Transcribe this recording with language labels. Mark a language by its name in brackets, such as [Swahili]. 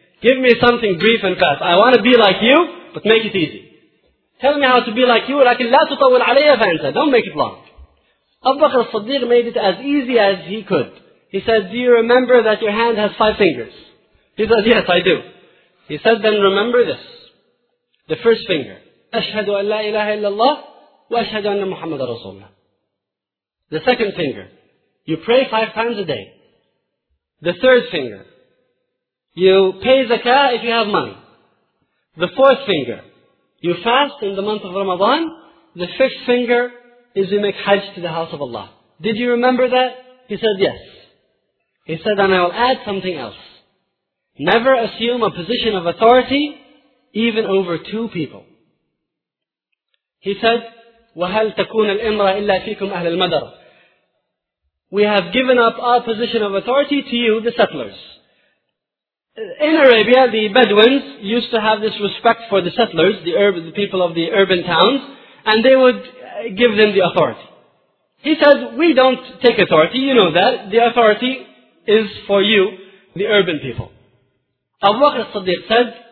[English] Give me something brief and cut. I want to be like you, but make it easy. Tell me how to be like you, [Arabic] لكن لا تطول علي فأنت. [English] Don't make it long. Abu Bakr al-Siddiq made it as easy as he could. He said, do you remember that your hand has five fingers? He said, yes, I do. He said, then remember this. The first finger. [Arabic] أشهد أن لا إله إلا الله وأشهد أن محمد رسول الله. [English] The second finger. You pray five times a day. The third finger. You pay zakah if you have money. The fourth finger. You fast in the month of Ramadan. The fifth finger is you make hajj to the house of Allah. Did you remember that? He said, yes. He said, and I will add something else. Never assume a position of authority, even over two people. He said, [Arabic] وَهَلْ تَكُونَ الْإِمْرَ إِلَّا فِيكُمْ أَهْلَ الْمَدَرَ. [English] We have given up our position of authority to you, the settlers. In Arabia, the Bedouins used to have this respect for the settlers, the people of the urban towns, and they would give them the authority. He said, we don't take authority, you know that. The authority is for you, the urban people. Abu Bakr al-Siddiq said,